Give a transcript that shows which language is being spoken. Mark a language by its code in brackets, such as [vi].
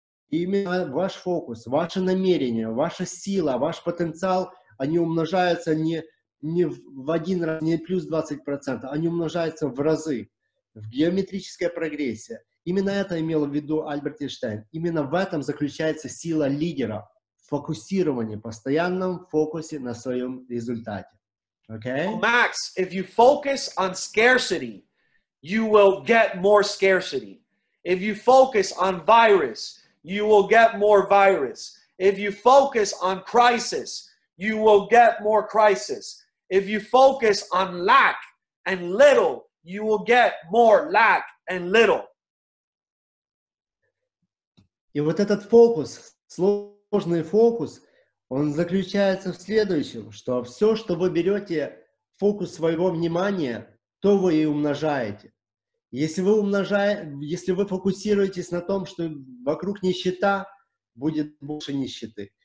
[ru] И именно ваш фокус, ваше намерение, ваша сила, ваш потенциал, они умножаются не в один раз, не плюс 20%, они умножаются в разы, в геометрической прогрессии. Именно это имел в виду Альберт Эйнштейн. Именно в этом заключается сила лидера. Фокусирование, постоянном фокусе на своем результате. Okay. [en] Well, Max, if you focus on scarcity, you will get more scarcity. If you focus on virus, you will get more virus. If you focus on crisis, you will get more crisis. If you focus on lack and little, you will get more lack and little. [ru] И вот этот фокус, сложный фокус, он заключается в следующем, что все, что вы берете в фокус своего внимания, то вы и умножаете. Если вы фокусируетесь на том, что вокруг нищета, будет больше нищеты.